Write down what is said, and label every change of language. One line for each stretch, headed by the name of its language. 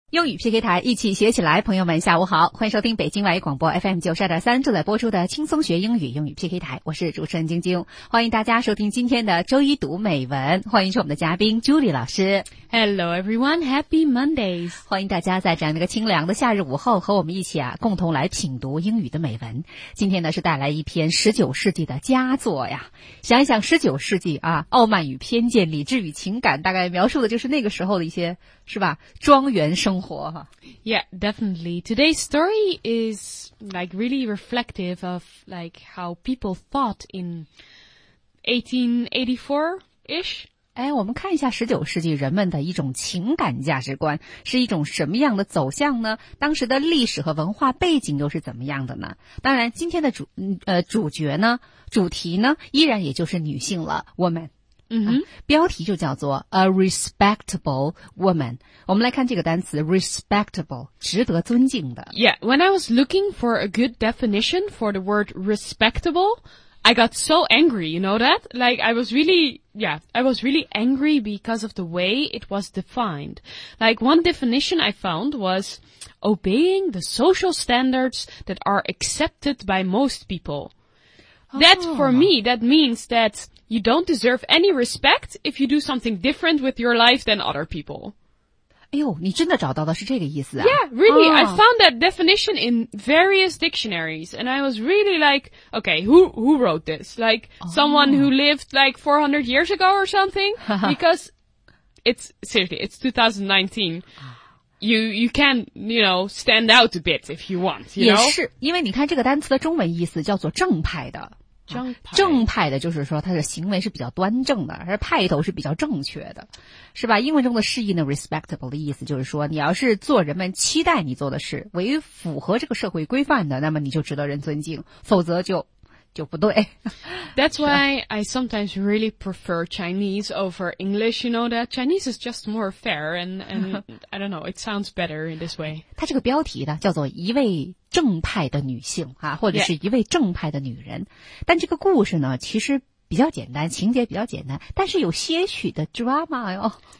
Chinese: 英语 PK 台一起学起来，朋友们下午好，欢迎收听北京外语广播 FM92.3 正在播出的轻松学英语英语 PK 台，我是主持人晶晶，欢迎大家收听今天的周一读美文，欢迎是我们的嘉宾 Julie 老师。
English: Hello everyone, happy Mondays.
Chinese: 欢迎大家在这样一个清凉的夏日午后和我们一起啊共同来品读英语的美文。今天呢是带来一篇19世纪的佳作呀，想一想19世纪啊，傲慢与偏见，理智与情感，大概描述的就是那个时候的一些是吧庄园生活哈。
English: Yeah, definitely. Today's story is like really reflective of like how people thought in 1884-ish.
Chinese: 哎，我们看一下19世纪人们的一种情感价值观是一种什么样的走向呢？当时的历史和文化背景又是怎么样的呢？当然今天的主题呢依然也就是女性了，我们。标题就叫做
English: A respectable woman.
Chinese: 我们来看这个单词 respectable, 值得尊敬的。
English: Yeah, when I was looking for a good definition for the word respectable, I got so angry, you know that? Like, I was really angry because of the way it was defined. Like, one definition I found was obeying the social standards that are accepted by most people. That, for me, that means that you don't deserve any respect if you do something different with your life than other people.
Chinese: 哎呦，你真的找到的是这个意思啊。
English: Yeah, really, I found that definition in various dictionaries, and I was really like, okay, who wrote this? Like, someone who lived like 400 years ago or something? Because, it's 2019. You can, you know, stand out a bit if you want, you know?
Chinese: 也是，因为你看这个单词的中文意思叫做正派的。正派的就是说他的行为是比较端正的，而派头是比较正确的。是吧，英文中的释义呢 ,respectable 的意思就是说你要是做人们期待你做的事，为符合这个社会规范的，那么你就值得人尊敬，否则就不对。
English: That's why I sometimes really prefer Chinese over English, you know that? Chinese is just more fair and I don't know, it sounds better in this way.
Chinese: 它这个标题呢叫做一位正派的女性啊，或者是一位正派的女人。
English: Yeah.
Chinese: 但这个故事呢其实比较简单，情节比较简单，但是有些许的 drama 哟。